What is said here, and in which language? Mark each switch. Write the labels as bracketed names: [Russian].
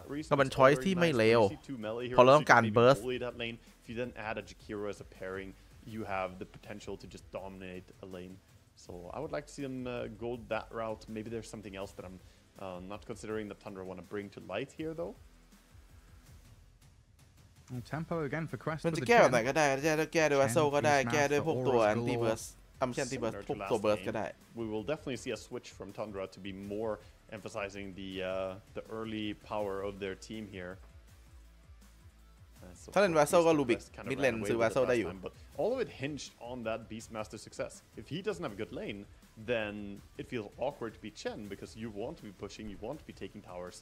[Thai] ก็มันช้อยส์ที่ไม่เลวพอเราต้องการเบิร์ส ฟีดันแอดอะจิคิโร่ [English] as a pairing you have the potential to just dominate a lane so I would like to see them go that route maybe there's something else that I'm not considering that Tundra want to bring to light here though Tempo again for Quest [Thai] มันจะแก้แบบไหนก็ได้แก้ด้วยโซก็ได้แก้ด้วยพวกตัวแอนตี้เบิร์สอัมเชนตี้เบิร์สพวกตัวเบิร์สก็ได้ [English] We will definitely see a switch from Tundra to be more emphasizing the early power of their team here [Thai] ถ้าเล่นวาโซก็ลูบิกมิดเลนซื้อวาโซได้อยู่ [English] All of it hinged on that Beastmaster success If he doesn't have a good laneThen it feels awkward to be Chen because you want to be pushing, you want to be taking towers.